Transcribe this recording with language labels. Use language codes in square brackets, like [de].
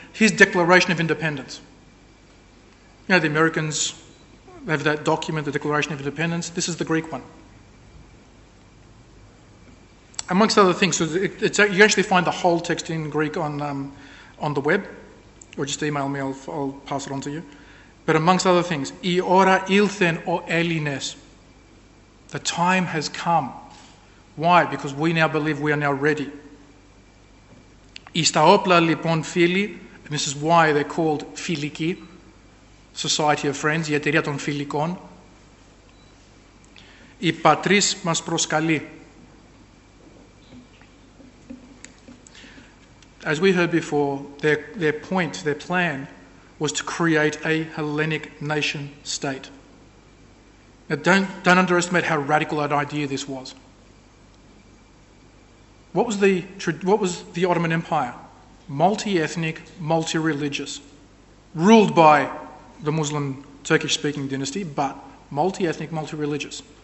[en] His declaration of independence. You know, the Americans have that document, the Declaration of Independence. This is the Greek one. Amongst other things, so you actually find the whole text in Greek on the web. Or just email me, I'll pass it on to you. [el] But amongst other things, η ώρα ήλθεν ο Έλληνες. [en] The time has come. Why? Because we now believe we are now ready. [el] Εις τα όπλα λοιπόν φίλοι, and this is why they're called φιλικοί, Society of Friends, η εταιρεία των φιλικών, η πατρίς μας προσκαλεί. [en] As we heard before, their point, their plan, was to create a Hellenic nation state. Now don't underestimate how radical an idea this was. What was the Ottoman Empire? Multi-ethnic, multi-religious, ruled by the Muslim Turkish-speaking dynasty, but multi-ethnic, multi-religious.